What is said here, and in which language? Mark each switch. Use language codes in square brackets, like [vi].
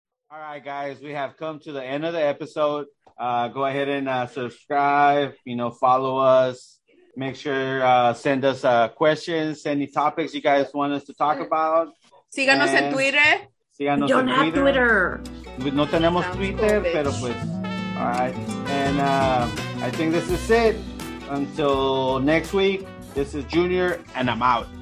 [en] All right, guys, we have come to the end of the episode. Go ahead and subscribe, you know, follow us. Make sure send us questions, any topics you guys want us to talk about. [es] Síganos en Twitter. Síganos en Twitter. No tenemos Twitter, cool, pero pues, all right. [en] And I think this is it. Until next week, this is Junior, and I'm out.